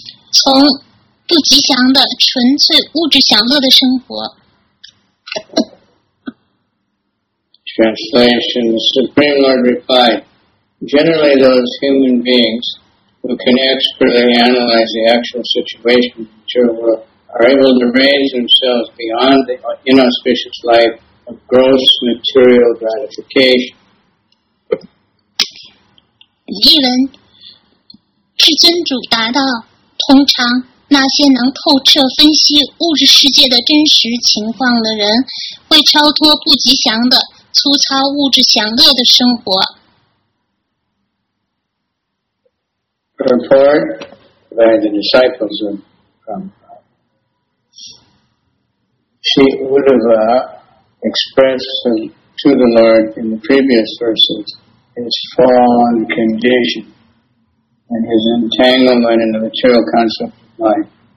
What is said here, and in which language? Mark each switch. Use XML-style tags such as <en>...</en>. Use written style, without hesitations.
<zh>从不吉祥的纯粹物质享乐的生活。</zh> <en>Translation, the Supreme Lord replied, generally those human beings who can expertly analyze the actual situation in the material world are able to raise themselves beyond the inauspicious life of gross material gratification.</en> <zh>译文，至尊主答道，通常那些能透彻分析物质世界的真实情况的人会超脱不吉祥的粗糙物质享乐的生活。</zh> <en>Report by the disciples from Sri Uddhava expressed to the Lord in the previous verses his fallen condition and his entanglement in the material concept of life.</en>